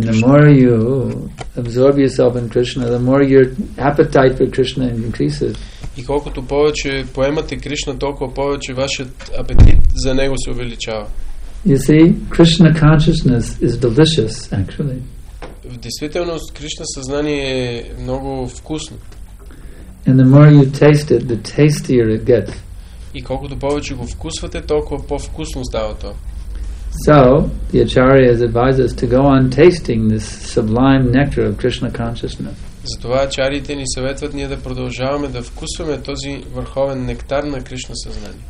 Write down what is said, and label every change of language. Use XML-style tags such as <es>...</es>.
<bg>Кришна.</bg> <en>And the more you absorb yourself in Krishna, the more your appetite for Krishna increases.</en> <bg>И колкото повече поемате Кришна, толкова повече вашият апетит за него се увеличава.</bg> <en>You see, Krishna consciousness is delicious, actually.</en> <bg>В действителност, Кришна съзнание е много вкусно.</bg> <en>And the more you taste it, the tastier it gets.</en> <bg>И колкото повече го вкусвате, толкова по-вкусно става то.</bg> <en>So, the acharyas advise us to go on tasting this sublime nectar of Krishna consciousness.</en> <bg>Затова ачарите ни съветват ние да продължаваме да вкусваме този върховен нектар на Кришна съзнание.</bg>